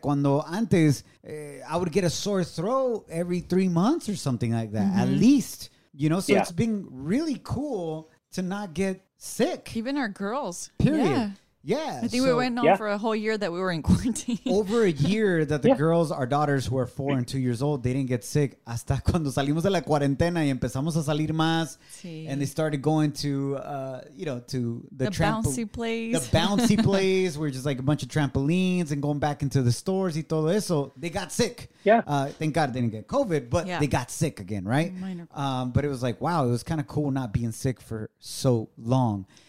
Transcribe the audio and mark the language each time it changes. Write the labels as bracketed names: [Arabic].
[Spanish] Cuando antes, [English] I would get a sore throat every 3 months or something like that, at least, you know? So it's been really cool to not get sick. Even our girls. Period. Yeah. Yeah. I think so, we went on for a whole year that we were in quarantine. Over a year that the girls, our daughters who are 4 and 2 years old, they didn't get sick. [Spanish] Hasta cuando salimos de la cuarentena y empezamos a salir más. Sí. [English] And they started going to, you know, to the bouncy place. The bouncy place where just like a bunch of trampolines and going back into the stores [Spanish] y todo eso. [English] They got sick. Yeah. Thank God they didn't get COVID, but they got sick again, right? Minor. But it was like, wow, it was kind of cool not being sick for so long.